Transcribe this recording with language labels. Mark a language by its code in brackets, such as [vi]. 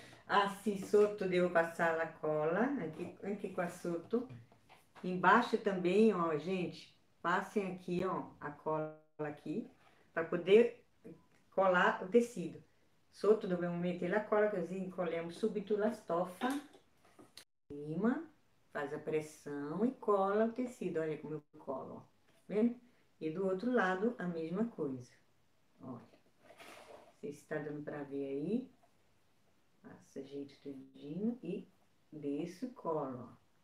[it] Ah sì, sotto devo passare la colla, anche qua sotto. [pt] Embaixo também, ó, gente, passem aqui, ó, a cola aqui, para poder colar o tecido. [it] Sotto dobbiamo mettere la colla, così incolliamo subito la stoffa. [pt] Prima, faz a pressão e cola o tecido. Olha como eu colo, vendo? E do outro lado a mesma coisa. Olha, se está dando para ver aí. Passa jeito tudinho e desço e colo.